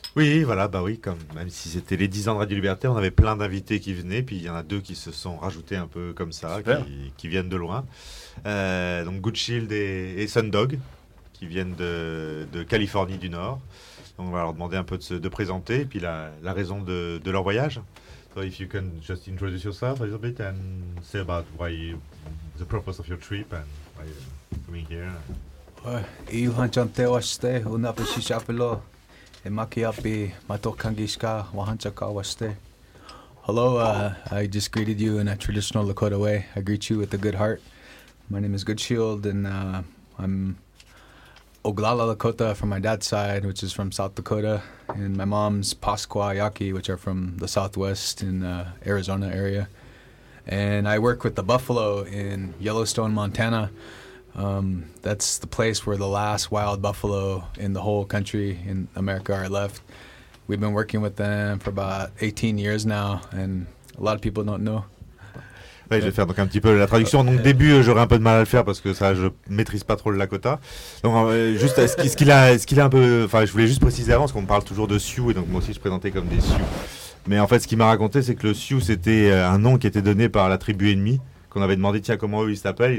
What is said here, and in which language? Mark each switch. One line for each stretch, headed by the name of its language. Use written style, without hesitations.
French: Oui, voilà, bah oui, même si c'était les 10 ans de Radio Liberté, on avait plein d'invités qui venaient, puis il y en a deux qui se sont rajoutés un peu comme ça, qui viennent de loin. Donc Goodshield et Sundog, qui viennent de Californie du Nord. Donc on va leur demander un peu de présenter, et puis la raison de leur voyage.
English: So if you can just introduce yourself a little bit and say about why the purpose of your trip and why you're coming here.
Lakota: Ilhan chante waste unapeshi chapelo e makiapi matokangiska wahanchaka waste.
English: Hello, I just greeted you in a traditional Lakota way. I greet you with a good heart. My name is Goodshield, and I'm Oglala Lakota from my dad's side, which is from South Dakota, and my mom's Pasqua Yaqui, which are from the southwest in the Arizona area. And I work with the buffalo in Yellowstone, Montana. That's the place where the last wild buffalo in the whole country in America are left. We've been working with them for about 18 years now, and a lot of people don't know.
French: Ouais, je vais faire donc un petit peu la traduction. Donc début, j'aurais un peu de mal à le faire parce que ça, je maîtrise pas trop le Lakota. Donc juste, ce qu'il a un peu, enfin, je voulais juste préciser avant, parce qu'on parle toujours de Sioux, et donc moi aussi je présentais comme des Sioux. Mais en fait, ce qu'il m'a raconté, c'est que le Sioux, c'était un nom qui était donné par la tribu ennemie, qu'on avait demandé, tiens, comment eux ils s'appellent.